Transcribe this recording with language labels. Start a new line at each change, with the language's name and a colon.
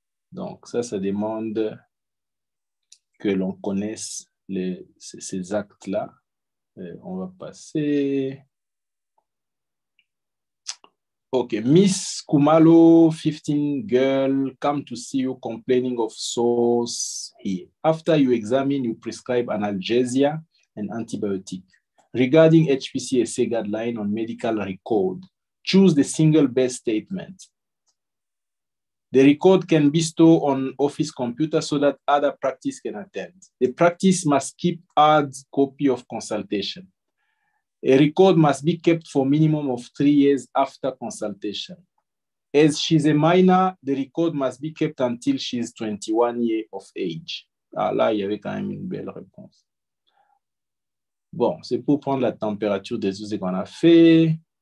French: Donc, ça demande que l'on connaisse ces actes-là. On va passer.
English: Okay, Miss Kumalo, 15 girl, come to see you complaining of sores here. After you examine, you prescribe analgesia and antibiotic. Regarding HPCSA guideline on medical record, choose the single best statement. The record can be stored on office computer so that other practice can attend. The practice must keep hard copy of consultation. A record must be kept for minimum of 3 years after consultation. As she's a minor, the record must be kept until she's 21 years of age.
French: Ah, là, il y avait quand même une belle réponse. Bon, c'est pour prendre la température des choses qu'on a fait.